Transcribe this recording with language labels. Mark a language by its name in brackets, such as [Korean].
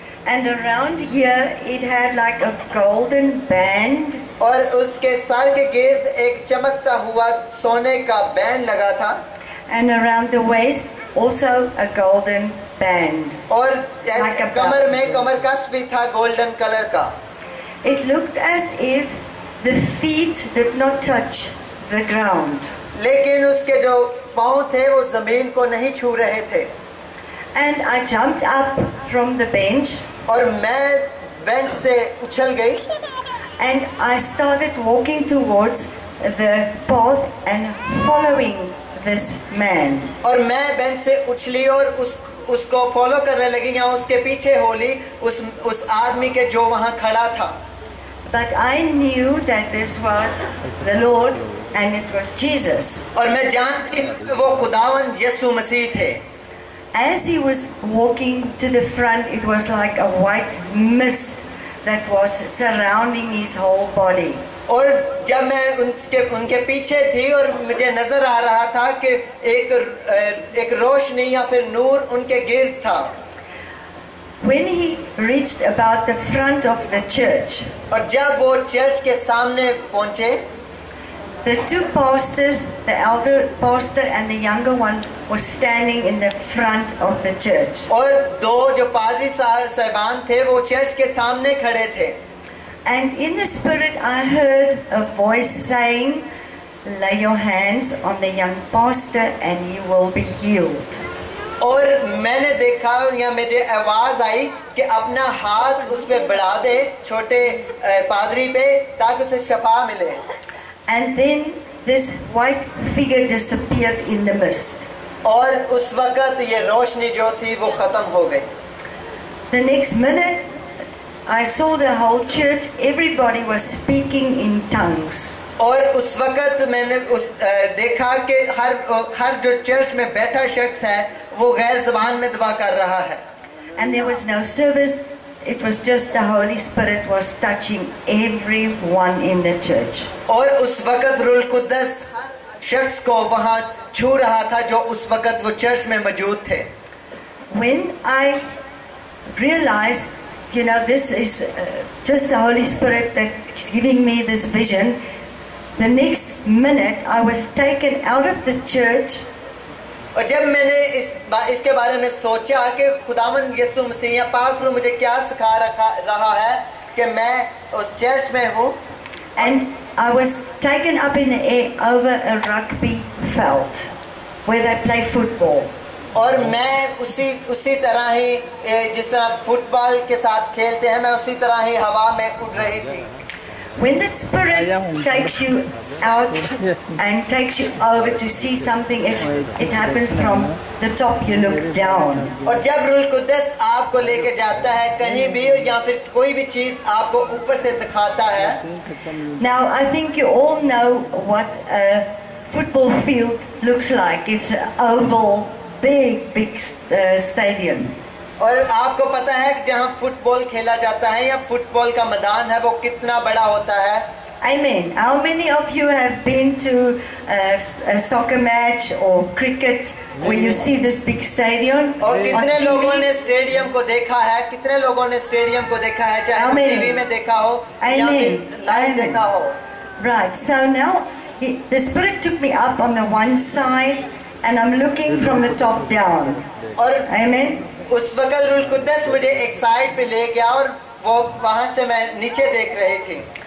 [English] And around here, it had like a golden band. [Hindi] और उसके sir के गिर्द एक चमकता हुआ सोने का बैंड लगा था. [English] And around the waist, also a golden band. [Hindi] और कमर में कमर कस भी था गोल्डन कलर का. [English] It looked as if the feet did not touch. The ground. [Hindi] लेकिन उसके जो पांव थे वो जमीन को नहीं छू रहे थे. [English] And I jumped up from the bench. [Hindi] और मैं बेंच से उछल गई. [English] And I started walking towards the path and following this man. [Hindi] और मैं बेंच से उछली और उसको फॉलो करने लगी या उसके पीछे होली उस आदमी के जो वहां खड़ा था. [English] But I knew that this was the Lord. And it was Jesus. [Hindi] और मैं जानती हूँ वो खुदावंद यीशु मसीह थे. [English] As he was walking to the front, it was like a white mist that was surrounding his whole body. [Hindi] और जब मैं उनके पीछे थी और मुझे नजर आ रहा था कि एक रोशनी या फिर नूर उनके गिर्द था. [English] When he reached about the front of the church. [Hindi] और जब वो चर्च के सामने पहुँचे. [English] The two pastors, the elder pastor and the younger one, were standing in the front of the church. [Hindi] और दो जो पादरी साहबान थे, वो चर्च के सामने खड़े थे. [English] And in the spirit, I heard a voice saying, "Lay your hands on the young pastor, and you will be healed." [Hindi] और मैंने देखा या मेरे आवाज आई कि अपना हाथ उसपे बढ़ा दे छोटे पादरी पे ताकि उसे शफा मिले. [English] And then this white figure disappeared in the mist. [Hindi] और उस वक्त ये रोशनी जो थी वो खत्म हो गई. [English] The next minute, I saw the whole church. Everybody was speaking in tongues. [Hindi] और उस वक्त मैंने देखा कि हर जो चर्च में बैठा शख्स है वो गैर ज़बान में दुआ कर रहा है. [English] And there was no service. It was just the Holy Spirit was touching everyone in the church. [Hindi] और उस वक्त रूल कुद्दस शख्स को वहां छू रहा था जो उस वक्त वो चर्च में मौजूद थे. [English] When I realized, you know, this is just the Holy Spirit that is giving me this vision, the next minute I was taken out of the church. [Hindi] और जब मैंने इसके बारे में सोचा कि खुदावन यीशु मसीह या पाक रूह मुझे क्या सिखा रहा है कि मैं उस चर्च में हूँ. [English] And I was taken up in the air over a rugby field where they play football. [Hindi] और मैं उसी तरह ही जिस तरह फुटबॉल के साथ खेलते हैं मैं उसी तरह ही हवा में उड़ रही थी. [English] When the Spirit takes you out and takes you over to see something, it happens from the top. You look down. [Hindi] और जब रूह कुद्दस आपको लेके जाता है कहीं भी या फिर कोई भी चीज आपको ऊपर से दिखाता है. [English] Now I think you all know what a football field looks like. It's oval, big stadium. [Hindi] और आपको पता है कि जहाँ फुटबॉल खेला जाता है या फुटबॉल का मैदान है वो कितना बड़ा होता है. [English] I mean, how many of you have been to a soccer match or cricket where you see this big stadium? [Hindi] और कितने लोगों ने स्टेडियम को देखा है कितने लोगों ने स्टेडियम को देखा है चाहे टीवी में देखा हो या लाइव देखा हो. [English] Right, so now the Spirit took me up on the one side and I'm looking from the top down. [Hindi] और [English] Amen. [Hindi] उस वक्त रूल कुद्दस मुझे एक साइड पे ले गया और वो वहां से मैं नीचे देख रही थी.